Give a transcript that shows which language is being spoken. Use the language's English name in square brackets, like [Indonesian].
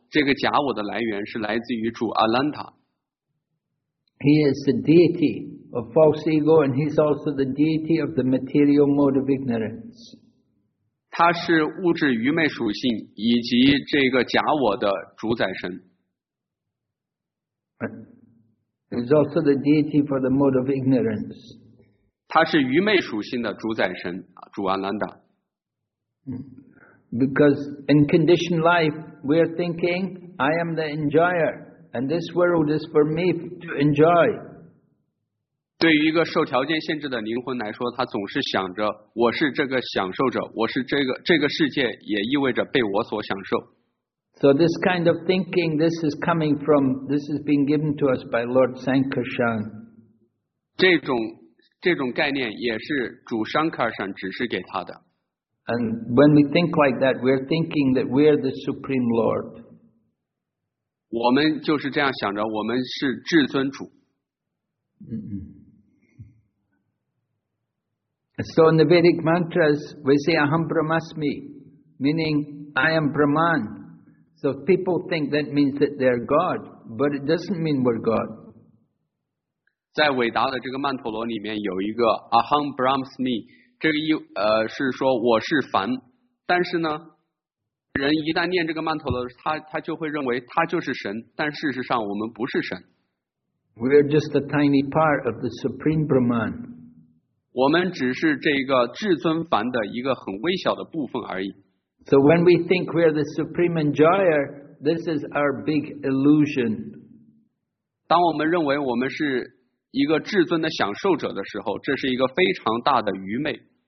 [Chinese] 我们有很多的假我，而一切受条件限制的灵魂的这个假我，这个假我的来源是来自于主 Ananta. [English] He is the deity of false ego, and he's also the deity of the material mode of ignorance. [Chinese] 他是物质愚昧属性以及这个假我的主宰神。 [English] He's also the deity for the mode of ignorance. [Chinese] 他是愚昧属性的主宰神，主 Ananta. [English] Because in conditioned life, we are thinking, I am the enjoyer, and this world is for me to enjoy. [Chinese] 对于一个受条件限制的灵魂来说，他总是想着我是这个享受者，我是这个世界也意味着被我所享受。 [English] So this kind of thinking, this is being given to us by Lord Sankarshan. [Chinese] 这种概念也是主 Sankarshan 指示给他的。 [English] And when we think like that, we're thinking that we're the Supreme Lord. [Chinese] 我们就是这样想着，我们是至尊主。 [English] So in the Vedic mantras, we say [Sanskrit] Aham Brahmasmi, [English] meaning I am Brahman. So people think that means that they're God, but it doesn't mean we're God. [Chinese] 在伟达的这个曼陀罗里面有一个 [Sanskrit] Aham Brahmasmi， [Chinese] 这个是说我是凡，但是呢，人一旦念这个曼陀罗，他就会认为他就是神，但事实上我们不是神。 [English] We're just a tiny part of the Supreme Brahman. [Chinese] 我们只是这个至尊凡的一个很微小的部分而已。 [English] So when we think we're the Supreme Enjoyer, this is our big illusion. [Chinese] 当我们认为我们是一个至尊的享受者的时候，这是一个非常大的愚昧。